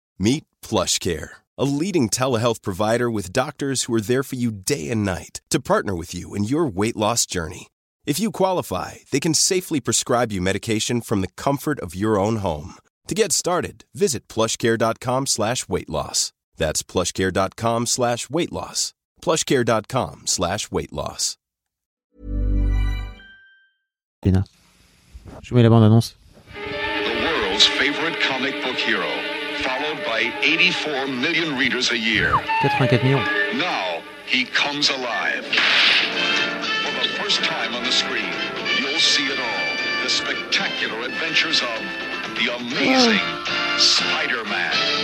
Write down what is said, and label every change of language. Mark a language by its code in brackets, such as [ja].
[en] Meet PlushCare, a leading telehealth provider with doctors who are there for you day and night to partner with you in your weight loss journey. If you qualify, they can safely prescribe you medication from the comfort of your own home. To get started, visit PlushCare.com/weightloss. That's PlushCare.com/weightloss. PlushCare.com/weightloss. [fr] Lena, je vous mets la bande-annonce. [en] The world's favorite comic book hero, followed by 84 million readers a year. [fr] 84 millions. [en] Now, he comes alive. For the first time on the screen, you'll see it all. The spectacular adventures of the amazing Spider-Man.